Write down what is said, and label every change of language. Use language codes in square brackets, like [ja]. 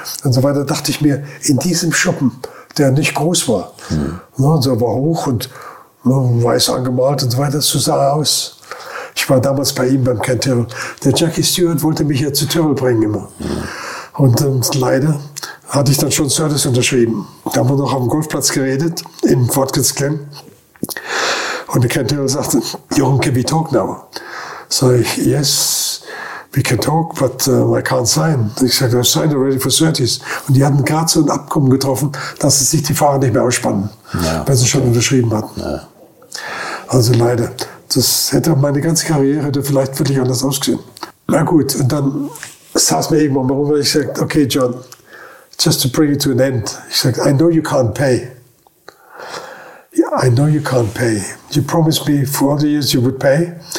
[de] Und so weiter, dachte ich mir, in diesem Schuppen, der nicht groß war, so war hoch und weiß angemalt und so weiter, so sah er aus. Ich war damals bei ihm beim Cantarell. Der Jackie Stewart wollte mich ja zu Tyrrell bringen immer. Hm. Und leider hatte ich dann schon Surtees unterschrieben. Da haben wir noch am Golfplatz geredet, in Watkins Glen. Und der Cantarell sagte, Jürgen, [en] can we talk now? [de] Sag ich, [en] yes, we can talk, but I can't sign. [de] Ich sagte, [en] I signed already for Surtees. [de] Und die hatten gerade so ein Abkommen getroffen, dass sie sich die Fahrer nicht mehr ausspannen, ja, weil sie schon unterschrieben hatten. Ja. Also leider, das hätte meine ganze Karriere hätte vielleicht wirklich anders ausgesehen. Na gut, und dann saß mir irgendwann mal rum, weil ich sagte, okay, John, [en] just to bring it to an end. [de] Ich sagte, [en] I know you can't pay. I know you can't pay. You promised me for all the years you would pay.